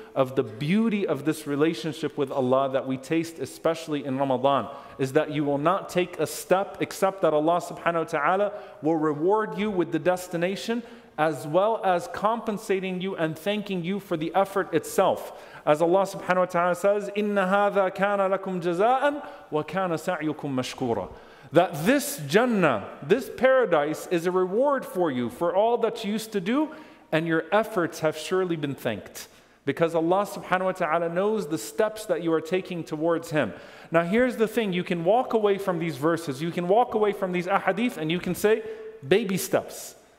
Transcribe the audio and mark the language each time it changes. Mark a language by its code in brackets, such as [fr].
[en] Of the beauty of this relationship with Allah that we taste, especially in Ramadan, is that you will not take a step except that Allah subhanahu wa ta'ala will reward you with the destination as well as compensating you and thanking you for the effort itself. As Allah subhanahu wa ta'ala says, [ar] إِنَّ هَذَا كَانَ لَكُمْ جَزَاءً وَكَانَ سَعْيُكُمْ مَشْكُورًا. [en] That this Jannah, this paradise, is a reward for you for all that you used to do, and your efforts have surely been thanked. Because Allah subhanahu wa ta'ala knows the steps that you are taking towards Him. Now here's the thing, you can walk away from these verses, you can walk away from these ahadith, and you can say, baby steps.